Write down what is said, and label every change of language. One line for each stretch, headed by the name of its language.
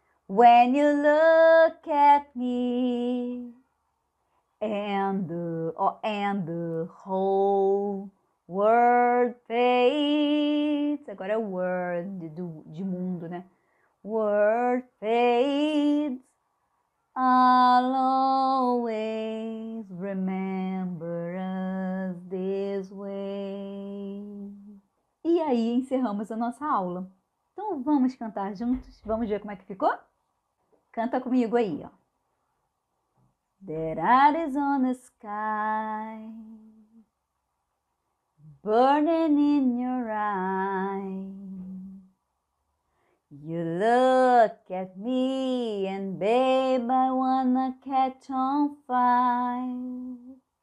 English: When you look at me, and the whole word fades.
Portuguese: Agora é word de mundo, né?
English: Word fades. I'll always remember us this way.
Portuguese: E aí encerramos a nossa aula. Então vamos cantar juntos? Vamos ver como é que ficou? Canta comigo aí, ó.
English: There are eyes on the sky, burning in your eyes. You look at me and babe, I wanna catch on fire.